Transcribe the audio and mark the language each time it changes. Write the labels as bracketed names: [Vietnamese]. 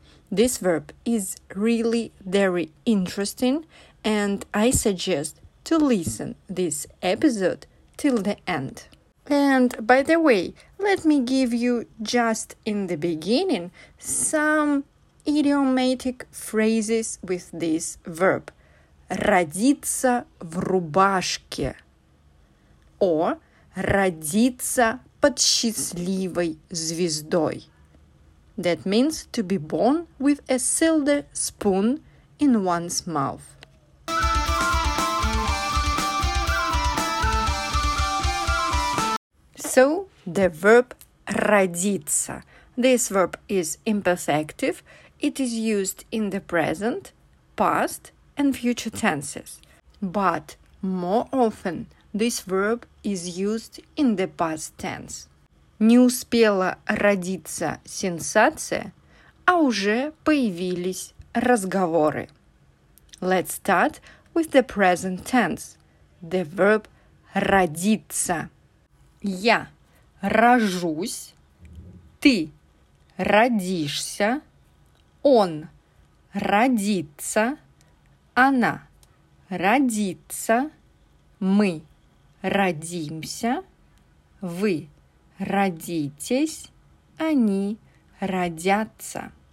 [English] This verb is really very interesting, and I suggest to listen this episode till the end. And by the way, let me give you just in the beginning some idiomatic phrases with this verb. [Russian] Родиться в рубашке. Or родиться под счастливой звездой. [English] That means to be born with a silver spoon in one's mouth. So, the verb родиться. This verb is imperfective. It is used in the present, past, and future tenses. But more often, this verb is used in the past tense. [Russian] Не успела родиться сенсация, а уже появились разговоры. [English] Let's start with the present tense. The verb родиться. [Russian] Я рожусь, ты родишься, он родится, она родится, мы родимся, вы родитесь, они родятся.